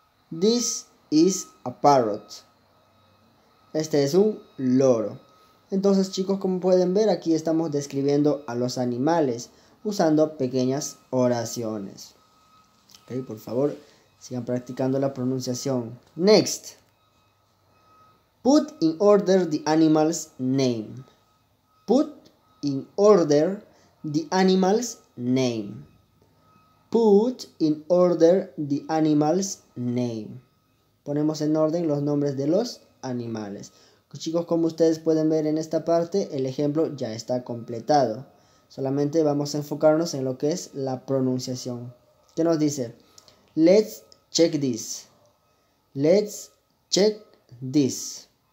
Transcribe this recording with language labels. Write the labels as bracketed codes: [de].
[en] This is a parrot. [es] Este es un loro. Entonces, chicos, como pueden ver, aquí estamos describiendo a los animales usando pequeñas oraciones. Okay, por favor, sigan practicando la pronunciación. [en] Next. Put in order the animal's name. Put in order the animal's name. Put in order the animal's name. [es] Ponemos en orden los nombres de los animales. Chicos, como ustedes pueden ver en esta parte, el ejemplo ya está completado. Solamente vamos a enfocarnos en lo que es la pronunciación. ¿Qué nos dice? [en] Let's check this. Let's check this.